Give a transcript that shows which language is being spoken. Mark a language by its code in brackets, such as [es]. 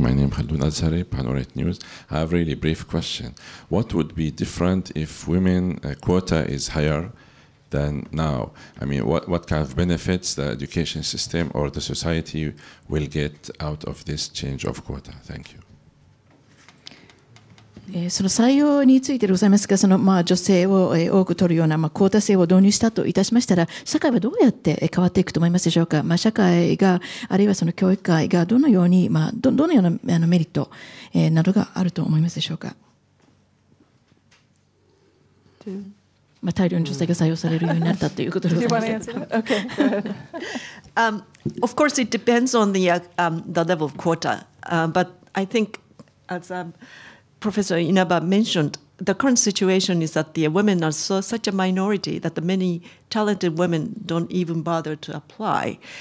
[en] My name is Khaldun Azhari, Panorate News. I have a really brief question. What would be different if women quota is higher than now? I mean, what kind of benefits the education system or the society will get out of this change of quota? Thank you. [ja] その採用についてでございますが、そのまあ女性を多く取るようなまあクォータ制を導入したといたしましたら、社会はどうやって変わっていくと思いますでしょうか。まあ、社会が、あるいはその教育界がどのように、まあ、どのようなあのメリットなどがあると思いますでしょうか。まあ、大量の女性が採用されるようになったということでございます。 [en] Of course, it depends on the level of quota, but I think as Professor Inaba mentioned, the current situation is that the women are such a minority that the many talented women don't even bother to apply.